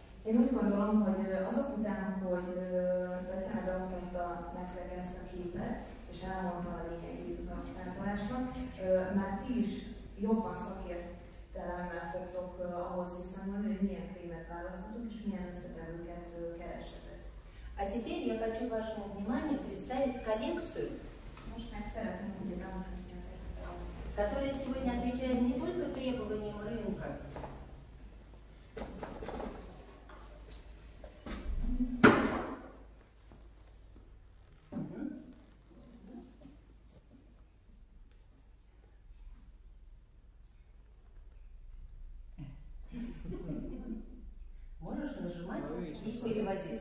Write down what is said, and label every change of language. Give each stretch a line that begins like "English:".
Hungarian: Én úgy gondolom, hogy azok után, hogy Betán bemutatta nektek ezt a képet, és elmondta a lényegét a felfogásnak, már ti is jobban szakértelemmel fogtok ahhoz viszonyulni, hogy milyen krémet választhatok, és milyen összetevőket keresetek.
Russian: A теперь я хочу вашему вниманию представить коллекцию,
Hungarian: most meg szeretném, hogy bemutatni az egyszerűen,
Russian: которая сегодня отвечает не только требованиям рынка, можешь нажимать и сейчас переводить.